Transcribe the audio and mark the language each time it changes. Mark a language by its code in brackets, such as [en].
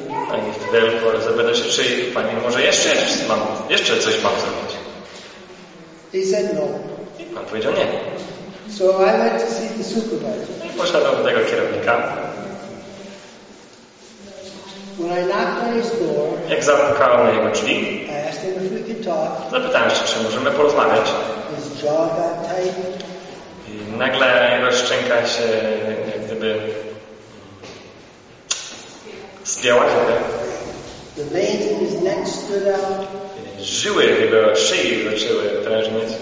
[pl] No i wtedy zapytał się, czy Panie, może jeszcze coś mam zrobić. [en] He said no. [pl] I Pan powiedział nie. [en] So I went to see the supervisor. [pl] I poszedłem do tego kierownika. [en] When I knocked on his door, [pl] jak zapukałem na jego drzwi, [en] I asked him if we could talk. [pl] Zapytałem się, czy możemy porozmawiać. [en] His jaw got tight. [pl] I nagle jego szczęka się jak gdyby spięła trochę. [en] The veins in his neck stood out. [pl] Żyły w jego szyi zaczęły drężnieć.